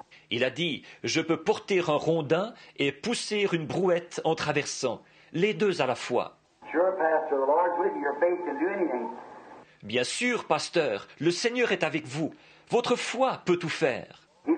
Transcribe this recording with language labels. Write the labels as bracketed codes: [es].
[fr] Il a dit, je peux porter un rondin et pousser une brouette en traversant, les deux à la fois. [en] Sure, Pastor, the Lord's with you. Your faith can do anything. [fr] Bien sûr, pasteur, le Seigneur est avec vous. Votre foi peut tout faire.